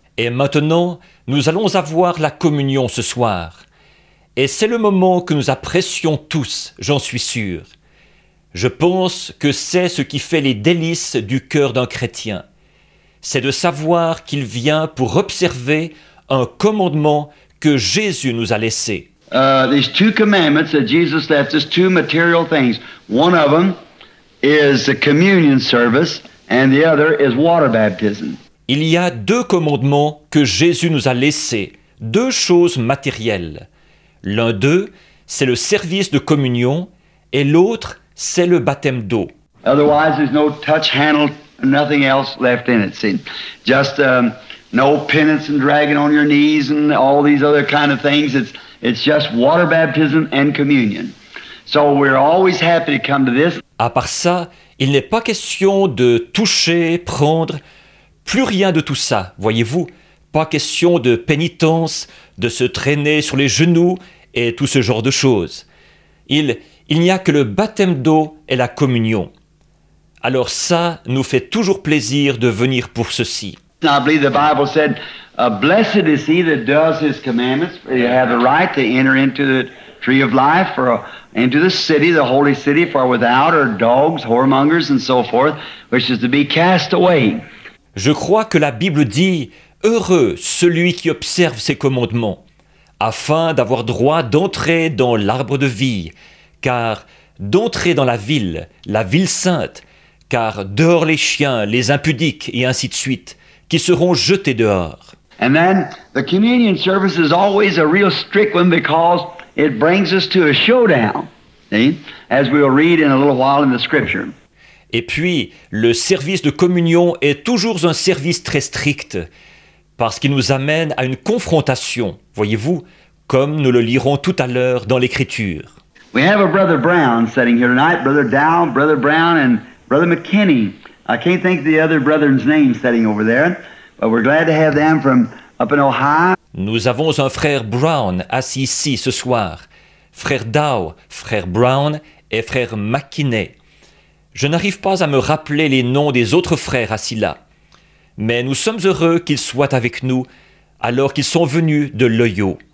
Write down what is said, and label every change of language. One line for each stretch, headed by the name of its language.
French: Et maintenant, nous allons avoir la communion ce soir. Et c'est le moment que nous apprécions tous, j'en suis sûr. Je pense que c'est ce qui fait les délices du cœur d'un chrétien. C'est de savoir qu'il vient pour observer un commandement que Jésus nous a laissé.
English: These two commandments that Jesus left us, two material things. One of them is the communion service and the other is water baptism.
French: Il y a deux commandements que Jésus nous a laissés, deux choses matérielles. L'un d'eux, c'est le service de communion et l'autre, c'est le baptême d'eau.
English: Otherwise, there's no touch handle, nothing else left in it, see. Just no penance and dragging on your knees and all these other kind of things. It's just water baptism and communion. So we're always happy to come to this.
French: À part ça, il n'est pas question de toucher, prendre, plus rien de tout ça, voyez-vous. Pas question de pénitence, de se traîner sur les genoux et tout ce genre de choses. Il n'y a que le baptême d'eau et la communion. Alors ça nous fait toujours plaisir de venir pour ceci.
English: I believe the Bible said, blessed is he that does his commandments, for you have the right to enter into the tree of life, or into the city, the holy city, for without are dogs, whoremongers, and so forth, which is to be cast away.
French: Je crois que la Bible dit, heureux celui qui observe ses commandements, afin d'avoir droit d'entrer dans l'arbre de vie, car d'entrer dans la ville sainte, car dehors les chiens, les impudiques, et ainsi de suite, qui seront jetés dehors.
English: And then, the communion service is always a real strict one because it brings us to a showdown, see? As we'll read in a little while in the scripture.
French: Et puis, le service de communion est toujours un service très strict, parce qu'il nous amène à une confrontation, voyez-vous, comme nous le lirons tout à l'heure dans l'Écriture.
English: We have a Brother Brown sitting here tonight, Brother Dow, Brother Brown, and Brother McKinney. I can't think of the other brethren's name sitting over there, but we're glad to have them from up in Ohio.
French: Nous avons un frère Brown assis ici ce soir. Frère Dow, frère Brown et frère McKinney. Je n'arrive pas à me rappeler les noms des autres frères assis là. Mais nous sommes heureux qu'ils soient avec nous alors qu'ils sont venus de l'Ohio.